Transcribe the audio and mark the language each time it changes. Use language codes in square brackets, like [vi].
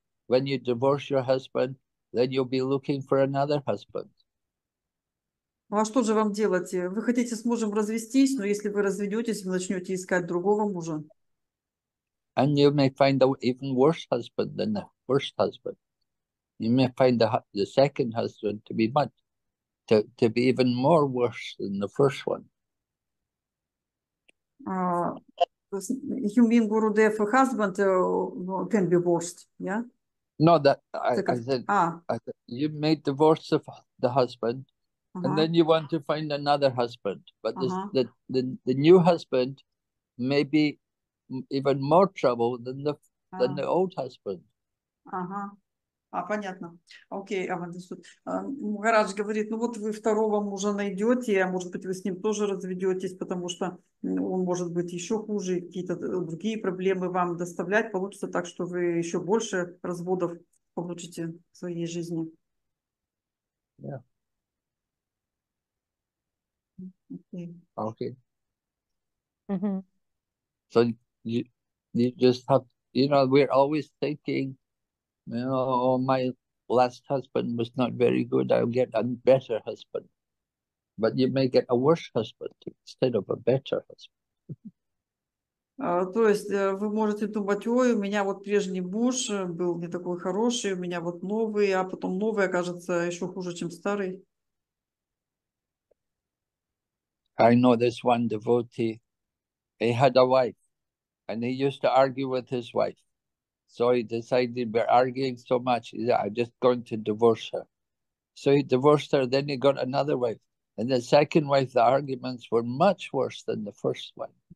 [en] When you divorce your husband, then you'll be looking for another husband. [ru] Ну, а что же вам делать? Вы хотите с мужем развестись, но если вы разведетесь, вы начнете искать другого мужа. [en] And you may find an even worse husband than the first husband. You may find the second husband to be much, to be even more worse than the first one. Human Guru Dev husband can be worse, yeah? No, that I said. You may divorce the husband, And then you want to find another husband, but the new husband may be even more trouble than the old husband. [ru] А, понятно. Окей, Аванда-сут. Мухарадж говорит, ну вот вы второго мужа найдете, а может быть вы с ним тоже разведетесь, потому что он может быть еще хуже, какие-то другие проблемы вам доставлять. Получится так, что вы еще больше разводов получите в своей жизни. Yeah. Окей. [en] Okay. Mm-hmm. So you just have, you know, we're always thinking, you know, my last husband was not very good. I'll get a better husband. But you may get a worse husband instead of a better husband. [ru] То есть вы можете думать, ой, у меня вот прежний муж был не такой хороший, у меня вот новый, а потом новый окажется еще хуже, чем старый. [en] I know this one devotee. He had a wife, and he used to argue with his wife. So he decided, we're arguing so much, he said, I'm just going to divorce her. So he divorced her, then he got another wife. And the second wife, the arguments were much worse than the first one.